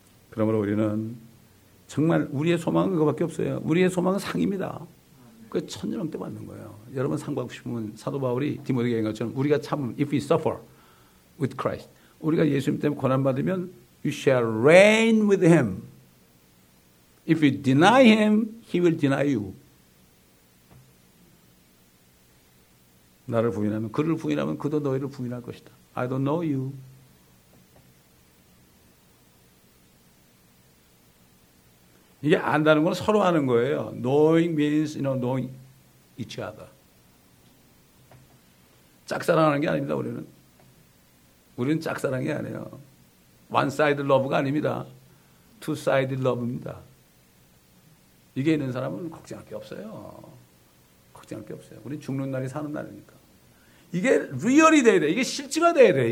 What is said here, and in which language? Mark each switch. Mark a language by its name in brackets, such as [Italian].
[Korean] 그러므로 우리는 정말 우리의 소망은 그거밖에 없어요. 우리의 소망은 상입니다. 그 천년왕 때 받는 거예요. 여러분 상 받고 싶으면 사도 바울이 디모데에게 얘기한 것처럼 우리가 참으면 [English] if we suffer with Christ. [Korean] 우리가 예수님 때문에 고난 받으면 [English] you shall reign with him. If you deny him, he will deny you. [Korean] 나를 부인하면, 그를 부인하면 그도 너희를 부인할 것이다. [English] I don't know you. [Korean] 이게 안다는 건 서로 아는 거예요. [English] Knowing means you know, knowing each other. [Korean] 짝사랑하는 게 아닙니다, 우리는. 우리는 짝사랑이 아니에요. [English] One-sided love [Korean] 가 아닙니다. [English] Two-sided love [Korean] 입니다. 이게 있는 사람은 걱정할 게 없어요. 걱정할 게 없어요. 우리 죽는 날이 사는 날이니까. 이게 리얼이 돼야 돼. 이게 실제가 돼야 돼.